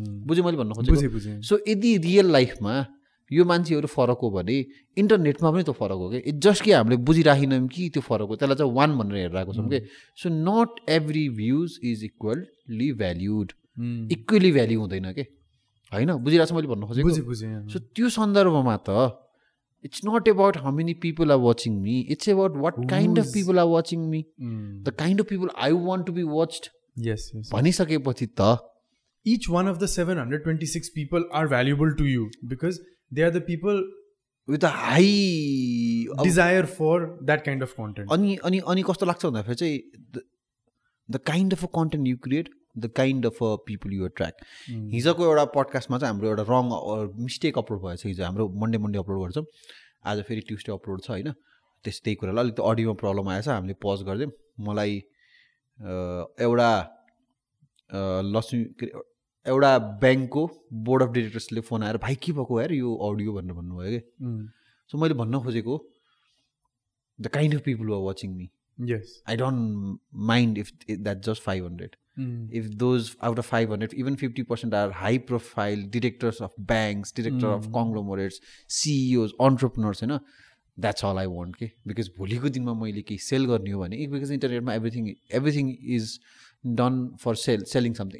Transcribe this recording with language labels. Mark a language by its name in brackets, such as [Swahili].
[Nepali] बुझेँ मैले भन्न खोजेको सो यदि रियल लाइफमा यो मान्छेहरू फरक हो भने इन्टरनेटमा पनि त्यो फरक हो कि इट जस्ट कि हामीले बुझिराखेनौँ कि त्यो फरक हो त्यसलाई चाहिँ वान भनेर हेरिरहेको छौँ कि so not every views is equally valued equally value हुँदैन कि होइन बुझिरहेको छ मैले भन्न खोजेको सो त्यो सन्दर्भमा त [English] It's not about how many people are watching me. It's about what Who's... kind of people are watching me. The kind of people I want to be watched. Yes. [Nepali] Bani sake pachi ta. [English] Each one of the 726 people are valuable to you because they are the people with a high desire for that kind of content. [Nepali] Ani kasto lagcha bhanne chai [English] the kind of a content you create, the kind of a people you attract. [Nepali] हिजोको एउटा पडकास्टमा चाहिँ हाम्रो एउटा रङ mistake upload भएछ हिजो हाम्रो Monday upload गर्छौँ आज फेरि ट्युस्डे अपलोड छ होइन त्यही कुरालाई अलिकति अडियोमा प्रब्लम आएछ हामीले पज गरिदिउँ मलाई एउटा लक्ष्मी एउटा ब्याङ्कको बोर्ड अफ डिरेक्टर्सले फोन आएर भाइ के भएको हेर यो अडियो भनेर भन्नुभयो कि [English] So मैले भन्न खोजेको the kind of people are watching me yes I don't mind if that just 500 If those out of 500, even 50% are high profile directors of banks, director of conglomerates, CEOs, entrepreneurs, you know, that's all I want. Okay? Because [Nepali] bholiko dinma maile ke sell garne ho bhane, [English] because internet [Nepali] ma [English] everything is done for selling something.